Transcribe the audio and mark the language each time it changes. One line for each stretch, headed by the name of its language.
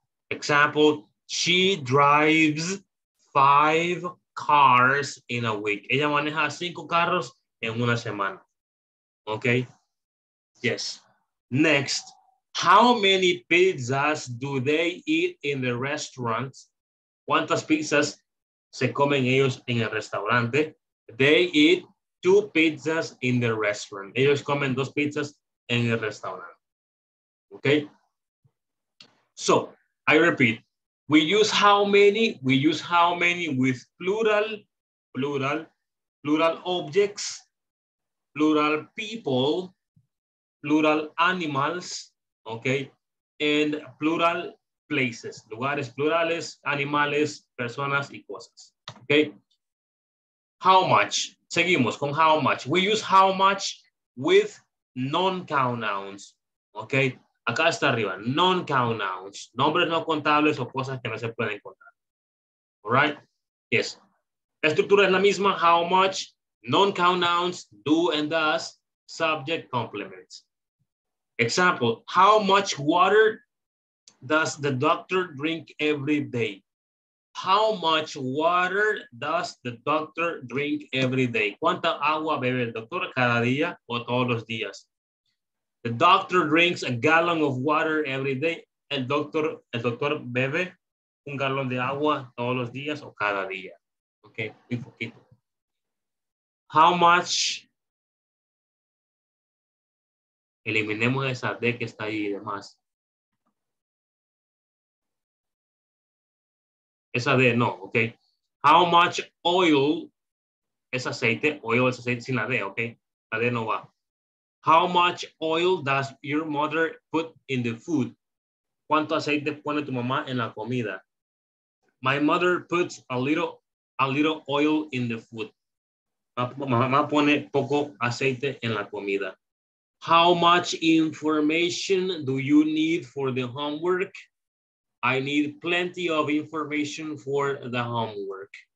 English: Example, she drives 5 cars in a week.
Spanish: Ella maneja 5 carros en una semana.
English: Okay. Yes. Next, how many pizzas do they eat in the restaurant?
Spanish: ¿Cuántas pizzas se comen ellos en el restaurante?
English: They eat 2 pizzas in the restaurant.
Spanish: Ellos comen 2 pizzas en el restaurante.
English: Okay? So, I repeat. We use how many? We use how many with plural objects, plural people, plural animals, okay? And plural places,
Spanish: lugares plurales, animales, personas y cosas.
English: Okay. How much?
Spanish: Seguimos con
English: how much. We use how much with non-count nouns. Okay.
Spanish: Acá está arriba.
English: Non-count nouns.
Spanish: Nombres no contables o cosas que no se pueden contar.
English: All right. Yes.
Spanish: La estructura es la misma.
English: How much? Non-count nouns, do and does, subject complements. Example, how much water does the doctor drink every day? How much water does the doctor drink every day?
Spanish: ¿Cuánta agua bebe el doctor cada día o todos los días?
English: The doctor drinks a gallon of water every day.
Spanish: El doctor bebe un galón de agua todos los días o cada día. Okay, un poquito.
English: How much?
Spanish: Eliminemos esa D que está ahí y demás. Esa D, no, ok.
English: How much oil,
Spanish: es aceite, oil es aceite sin la D, ok. La D no va.
English: How much oil does your mother put in the food?
Spanish: ¿Cuánto aceite pone tu mamá en la comida?
English: My mother puts a little oil in the food.
Spanish: Mamá pone poco aceite en la comida.
English: How much information do you need for the homework? I need plenty of information for the homework.